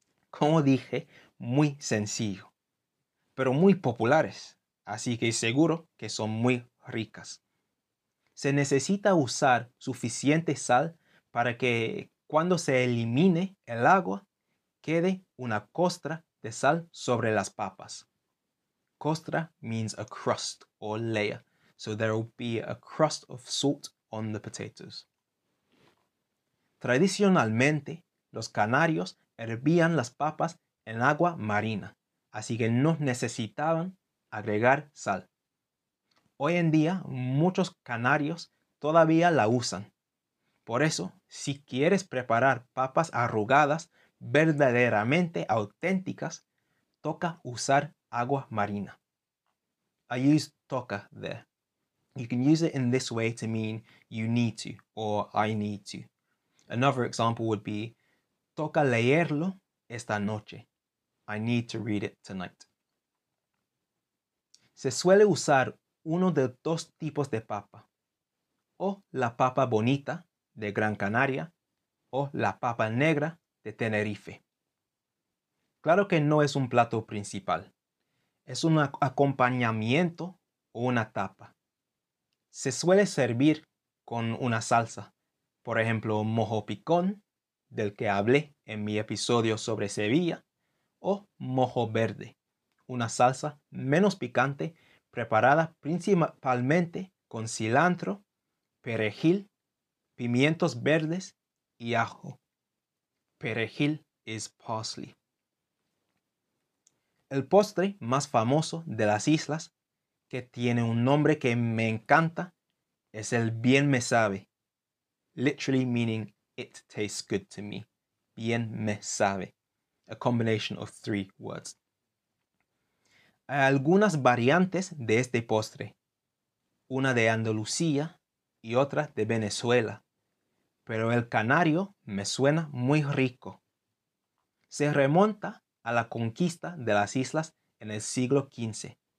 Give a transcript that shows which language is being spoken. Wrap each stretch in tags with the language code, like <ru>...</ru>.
<es>Como dije, muy sencillo. Pero muy populares, así que seguro que son muy ricas. Se necesita usar suficiente sal para que, cuando se elimine el agua, quede una costra de sal sobre las papas.</es> <en>Costra means a crust or layer, so there will be a crust of salt on the potatoes.</en> <es>Tradicionalmente, los canarios hervían las papas en agua marina, así que no necesitaban agregar sal. Hoy en día, muchos canarios todavía la usan. Por eso, si quieres preparar papas arrugadas verdaderamente auténticas, toca usar agua marina.</es> <en>I use toca there. You can use it in this way to mean you need to or I need to. Another example would be</en> <es>toca leerlo esta noche.</es> <en>I need to read it tonight.</en> <es>Se suele usar uno de dos tipos de papa. O la papa bonita de Gran Canaria o la papa negra de Tenerife. Claro que no es un plato principal. Es un acompañamiento o una tapa. Se suele servir con una salsa, por ejemplo, mojo picón, del que hablé en mi episodio sobre Sevilla, o mojo verde, una salsa menos picante preparada principalmente con cilantro, perejil, pimientos verdes y ajo.</es> <en>Perejil is parsley.</en> <es>El postre más famoso de las islas, que tiene un nombre que me encanta, es el bien me sabe.</es> <en>Literally meaning, it tastes good to me.</en> <es>Bien me sabe.</es> <en>A combination of three words.</en> <es>Hay algunas variantes de este postre. Una de Andalucía y otra de Venezuela. Pero el canario me suena muy rico. Se remonta a la conquista de las islas en el siglo XV.</es>